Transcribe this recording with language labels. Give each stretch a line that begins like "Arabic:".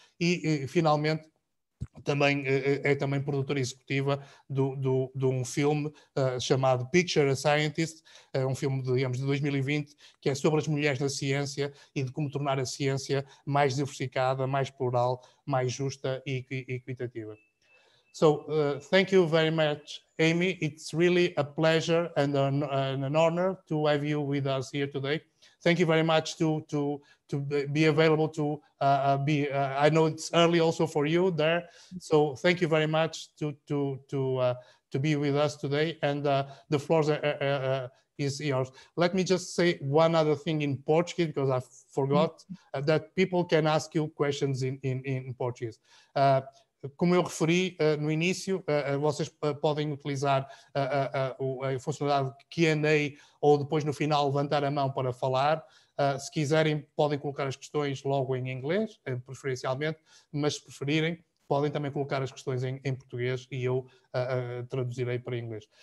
Portuguese: E, finalmente, também é também produtora executiva de um filme chamado Picture a Scientist, um filme, digamos, de 2020, que é sobre as mulheres na ciência e de como tornar a ciência mais diversificada, mais plural, mais justa e equitativa.
English: So, thank you very much, Amy. It's really a pleasure and an honor to have you with us here today. Thank you very much to be available to I know it's early also for you there. So, thank you very much to be with us today. And the floor is yours. Let me just say one other thing in Portuguese, because I forgot that people can ask you questions in Portuguese.
Portuguese: Como eu referi no início, vocês podem utilizar a funcionalidade Q&A ou depois no final levantar a mão para falar. Se quiserem, podem colocar as questões logo em inglês, preferencialmente, mas se preferirem, podem também colocar as questões em português e eu traduzirei para inglês.